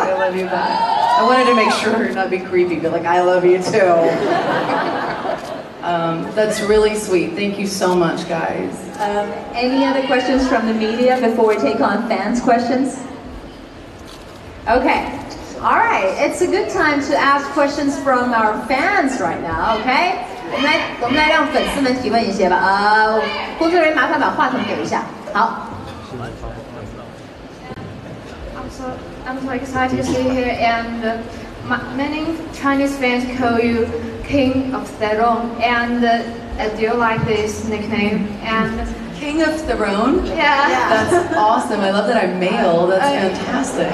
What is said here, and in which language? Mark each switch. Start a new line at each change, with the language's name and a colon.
English: I wanted to make sure, not be creepy, but like, I love you too. That's really sweet. Thank you so much, guys. Any other questions from the media before we take on fans' questions? Okay. All right, it's a good time to ask questions from our fans right now, okay?
Chinese: 我们来让粉丝们提问一些吧。工作人员麻烦把话筒给一下。好。
English: I'm so excited to see you here, and many Chinese fans call you King of Theron, and do you like this nickname? And King of Theron? Yeah. That's awesome. I love that I'm male. That's fantastic.